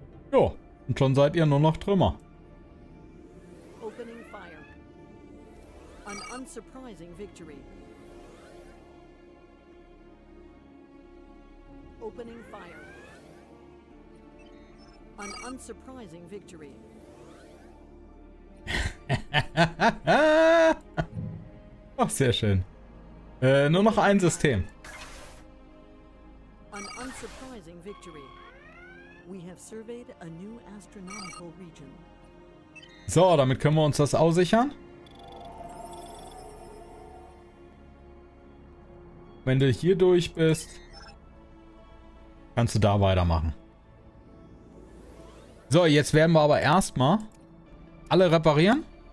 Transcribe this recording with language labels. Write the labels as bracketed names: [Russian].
[German] Jo, und schon seid ihr nur noch Trümmer. [English] Opening fire. An unsurprising victory. Opening fire. An unsurprising victory. [German] Ach, sehr schön. Nur noch ein System. [English] An unsurprising victory. We have surveyed a new astronomical region. [German] So, damit können wir uns das aussichern. Wenn du hier durch bist, kannst du da weitermachen. So, jetzt werden wir aber erstmal alle reparieren.